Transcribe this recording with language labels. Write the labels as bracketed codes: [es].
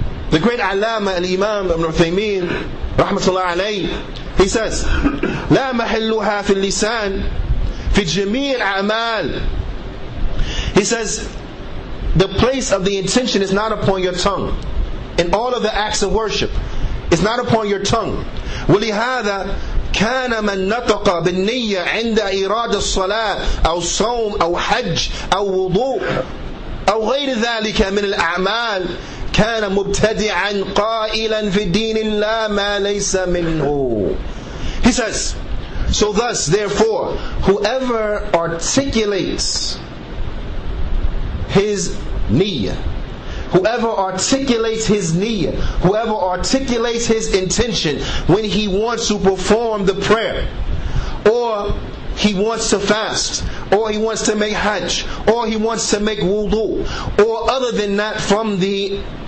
[en] The great Allama al-Imam Ibn Uthaymeen rahmatullah alayhi, he says, [ar] لا محلها في اللسان في جميع الأعمال. [en] He says, the place of the intention is not upon your tongue. In all of the acts of worship, it's not upon your tongue. [ar] ولهذا كان من نطق بالنية عند إرادة الصلاة أو صوم أو حج أو وضوء أو غير ذلك من الأعمال كان مبتدعا قائلا في دين الله ما ليس منه. [en] He says, so thus, therefore, whoever articulates his نية, whoever articulates his niyyah, whoever articulates his intention when he wants to perform the prayer, or he wants to fast, or he wants to make hajj, or he wants to make wudu, or other than that from the